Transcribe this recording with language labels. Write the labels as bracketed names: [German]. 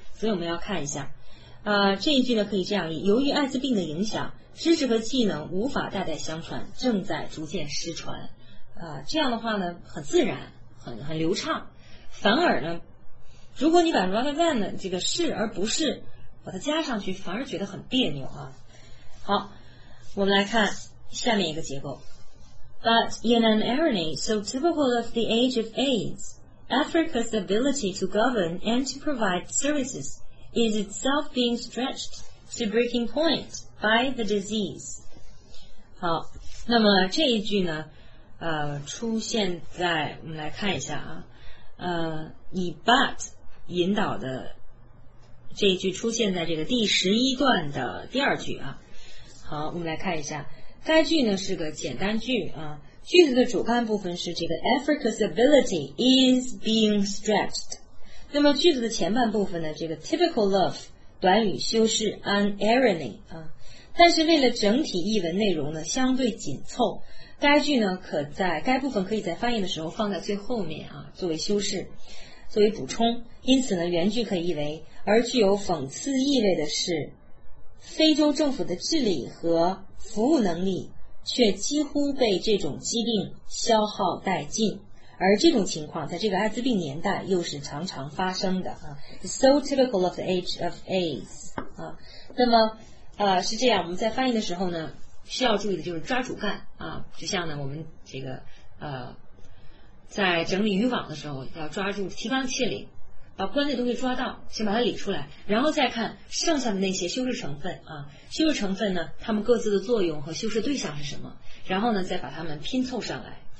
[Chinese] 所以我们要看一下这一句呢可以这样译：由于艾滋病的影响，知识和技能无法代代相传，正在逐渐失传。这样的话呢很自然，很流畅。反而呢，如果你把 rather than 的这个是而不是把它加上去，反而觉得很别扭啊。好，我们来看下面一个结构。 [English] But in an irony so typical of the age of AIDS, Africa's ability to govern and to provide servicesis itself being stretched to breaking point by the disease. [Chinese] 好，那么这一句呢出现在，我们来看一下啊，以 but 引导的这一句出现在这个第十一段的第二句啊。好，我们来看一下，该句呢是个简单句啊，句子的主干部分是这个 Africa's ability is being stretched。那么句子的前半部分呢，这个 typical of 短语修饰 an irony 啊，但是为了整体译文内容呢相对紧凑，该句呢可在该部分可以在翻译的时候放在最后面啊，作为修饰，作为补充。因此呢，原句可以译为：而具有讽刺意味的是，非洲政府的治理和服务能力却几乎被这种疾病消耗殆尽。而这种情况在这个艾滋病年代又是常常发生的啊。 [English] So typical of the age of AIDS 啊。 [Chinese] 那么是这样，我们在翻译的时候呢需要注意的就是抓主干啊，就像呢我们这个在整理渔网的时候要抓住提纲挈领，把关键东西抓到，先把它理出来，然后再看剩下的那些修饰成分啊，修饰成分呢它们各自的作用和修饰对象是什么，然后呢再把它们拼凑上来。